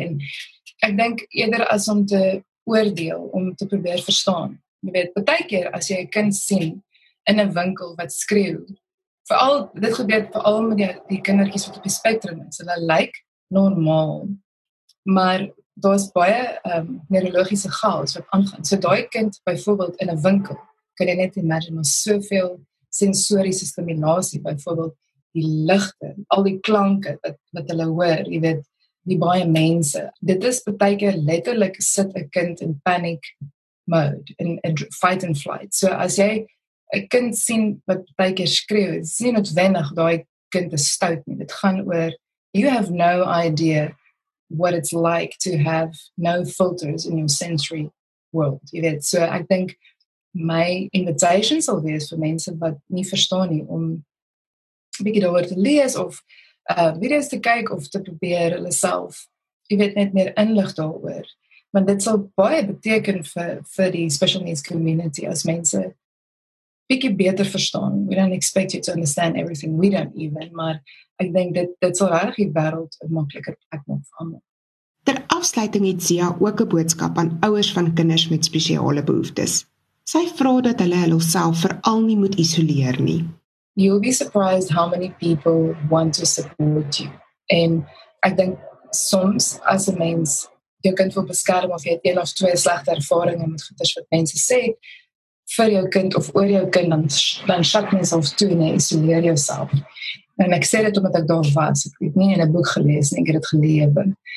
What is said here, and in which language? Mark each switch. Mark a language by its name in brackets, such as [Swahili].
[Afrikaans] En ek denk eerder as om te oordeel, om te probeer verstaan. Jy weet, baie keer as jy 'n kind sien in 'n winkel wat skreeu. Vooral, dit gebeur vooral met die kindertjies wat op die spectrum is. Hulle lyk normaal, maar daar is baie neurologiese chaos wat aangaan. So die kind, byvoorbeeld in 'n winkel, kan jy net imagine, maar soveel sensoriese stimulasie, byvoorbeeld die ligte, al die klanke wat hulle hoor, jy weet, die baie mense. Dit is beteken letterlik sit 'n kind in panic mode, in [English] fight and flight. [Afrikaans] So as jy een kind sien wat baie keer skreeu, het is nie noodwendig dat die kind is stout nie. Dit gaan oor, [English] you have no idea what it's like to have no filters in your sensory world. [Afrikaans] Jy weet, so ek denk, my invitation sal wees vir mense wat nie verstaan nie, om een bietjie daar te lees, of video's te kyk, of te probeer hulle self, jy weet, net meer inlig daaroor. Want dit sal baie beteken vir die special needs community, as mense bietjie beter verstaan. [English] We don't expect you to understand everything. We don't even, [Afrikaans] maar ek denk dit sal regtig die wêreld 'n makliker plek maak vir almal. Ter afsluiting het Sia ook 'n boodskap aan ouers van kinders met spesiale behoeftes. Sy vra dat hulle hulself veral nie moet isoleer nie. [English] You'll be surprised how many people want to support you. [Afrikaans] En ek denk soms as 'n mens jou kind wil beskerm of jy het 1 of 2 slegte ervaringe met goeders wat mense sê, vir jou kind of oor jou kind, dan [English] shut myself [Afrikaans] toe en isoleer jouself. En ek sê dit omdat ek daar was. Ek het nie in 'n boek gelees en ek het gelewe.